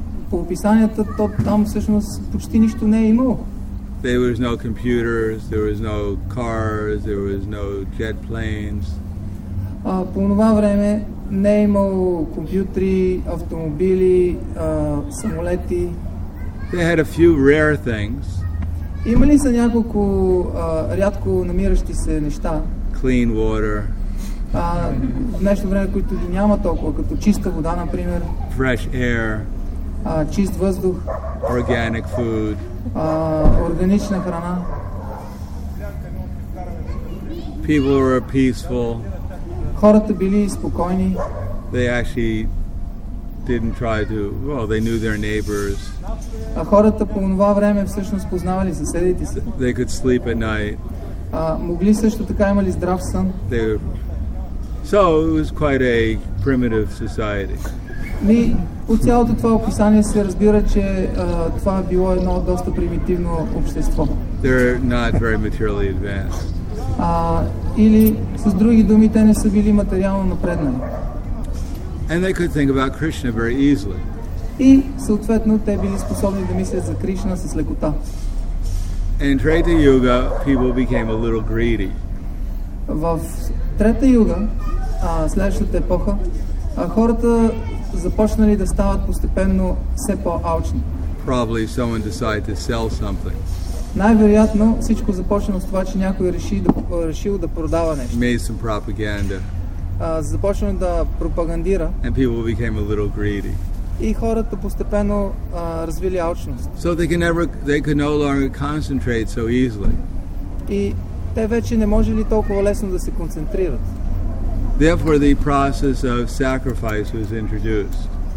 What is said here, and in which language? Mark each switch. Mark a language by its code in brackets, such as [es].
[bg] По описанията там всъщност почти нищо не е имало. [en] There was no computers, there was no cars, there was no jet planes. [bg] По това време не е имало компютри, автомобили, самолети. [en] They had a few rare things. [bg] Имали са няколко рядко намиращи се неща. [en] Clean water. [bg] В днешно време, които ги няма толкова, като чиста вода, например. [en] Fresh air. [bg] Чист въздух. [en] Organic food. [bg] Органична храна. [en] People were peaceful. [bg] Хората били спокойни. [en] They actually didn't try to, well, they knew their neighbors. [bg] Хората по това време всъщност познавали съседите си. [en] They could sleep at night. [bg] Могли също така, имали здрав сън. [en] So it was quite a primitive society. [bg] От цялото това описание се разбира, че това е било едно доста примитивно общество. [en] They're not very materially advanced. [bg] Или с други думи, те не са били материално напреднали. [en] And they could think about Krishna very easily. [bg] И съответно те били способни да мислят за Кришна с лекота. [en] In Treta Yuga, people became a little greedy. [bg] В Трета Юга, следващата епоха, хората започнали да стават постепенно все по-алчни. [en] Probably someone decided to sell something. [bg] Най-вероятно всичко започнало с това, че някой решил да продава нещо. [en] Made some propaganda. [bg] Започнал да пропагандира. [en] And people became a little greedy. [bg] И хората постепенно развили алчност. [en] So they could no longer concentrate so easily. [bg] И те вече не можели толкова лесно да се концентрират. [en] Therefore the process of sacrifice was introduced.